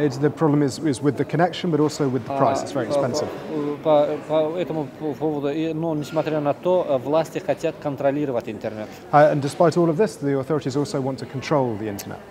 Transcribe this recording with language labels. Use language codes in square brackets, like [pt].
[en] The problem is with the connection, but also with the price. It's very expensive. [ru] По этому поводу, но несмотря на то, власти хотят контролировать интернет. [en] And despite all of this, the authorities also want to control the internet.